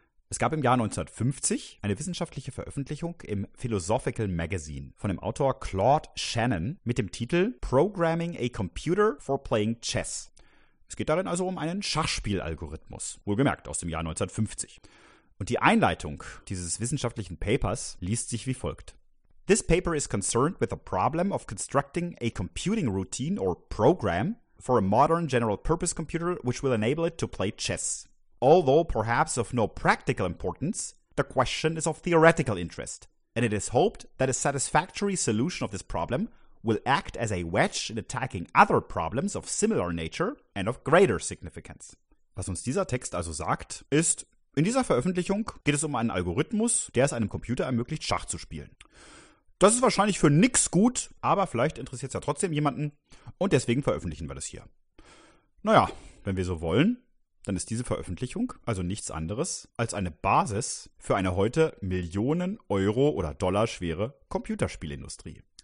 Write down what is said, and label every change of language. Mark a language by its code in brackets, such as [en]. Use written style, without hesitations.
[de] Es gab im Jahr 1950 eine wissenschaftliche Veröffentlichung im Philosophical Magazine von dem Autor Claude Shannon mit dem Titel Programming a Computer for Playing Chess. Es geht darin also um einen Schachspielalgorithmus, wohlgemerkt aus dem Jahr 1950. Und die Einleitung dieses wissenschaftlichen Papers liest sich wie folgt. [en] This paper is concerned with the problem of constructing a computing routine or program for a modern general-purpose computer which will enable it to play chess. Although perhaps of no practical importance, the question is of theoretical interest, and it is hoped that a satisfactory solution of this problem will act as a wedge in attacking other problems of similar nature and of greater significance. [de] Was uns dieser Text also sagt, ist, in dieser Veröffentlichung geht es um einen Algorithmus, der es einem Computer ermöglicht, Schach zu spielen. Das ist wahrscheinlich für nix gut, aber vielleicht interessiert es ja trotzdem jemanden und deswegen veröffentlichen wir das hier. Naja, wenn wir so wollen, dann ist diese Veröffentlichung also nichts anderes als eine Basis für eine heute Millionen Euro oder Dollar schwere Computerspielindustrie.